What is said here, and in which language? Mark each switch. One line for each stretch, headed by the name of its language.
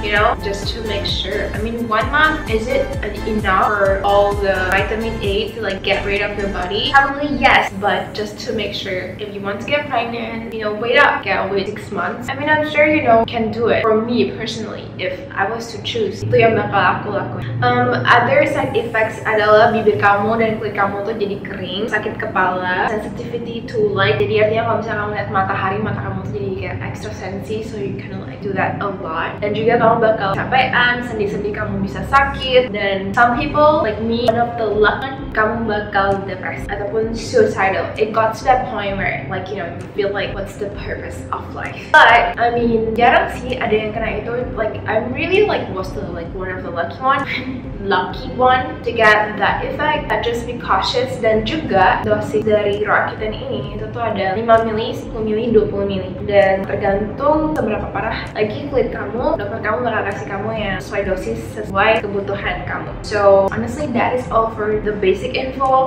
English: You know, just to make sure. I mean, 1 month, is it enough for all the vitamin A to like get rid of your body? Probably yes, but just to make sure. If you want to get pregnant, you know, wait up. Yeah, wait 6 months. I mean, I'm sure you know can do it. For me personally, if I was to choose,
Indonesian: itu yang bakal aku lakuin.
English: Other side effects
Indonesian: adalah bibir kamu dan kulit kamu tuh jadi kering, sakit kepala,
English: sensitivity to light.
Indonesian: Jadi artinya kalau misalnya kamu lihat matahari, mata kamu tuh jadi kayak extra sensi,
English: so you kind of like do that a lot.
Indonesian: Dan juga kamu bakal capean, sendi-sendi kamu bisa sakit, dan
English: some people like me, one of the luck,
Indonesian: kamu bakal depresi ataupun suicidal.
English: It got to that point where like, you know, you feel like what's the purpose of life. But I mean,
Indonesian: jarang sih ada yang kena itu.
English: Like, I'm really like was the like one of the lucky one to get that effect. But just be cautious.
Indonesian: Dan juga dosis dari Roaccutane ini itu tuh ada 5 mili, 10 mili, 20 mili, dan tergantung seberapa parah lagi kulit kamu, dokter kamu bakal kasih kamu yang sesuai dosis, sesuai kebutuhan kamu.
English: So honestly, that is all for the basic info.